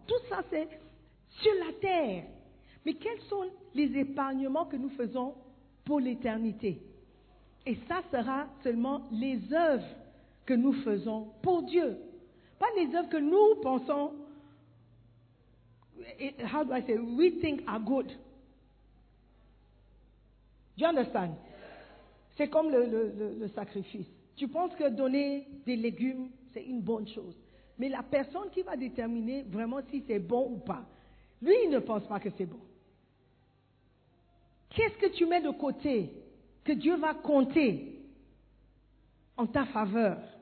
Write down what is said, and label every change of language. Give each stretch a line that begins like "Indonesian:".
French: Tout ça, c'est sur la terre. Mais quels sont les épargnements que nous faisons pour l'éternité? Et ça sera seulement les œuvres que nous faisons pour Dieu. Pas les œuvres que nous pensons
English: how do I say, we think are good. Do you understand?
French: C'est comme le sacrifice. Tu penses que donner des légumes, c'est une bonne chose. Mais la personne qui va déterminer vraiment si c'est bon ou pas, lui, il ne pense pas que c'est bon. Qu'est-ce que tu mets de côté que Dieu va compter en ta faveur?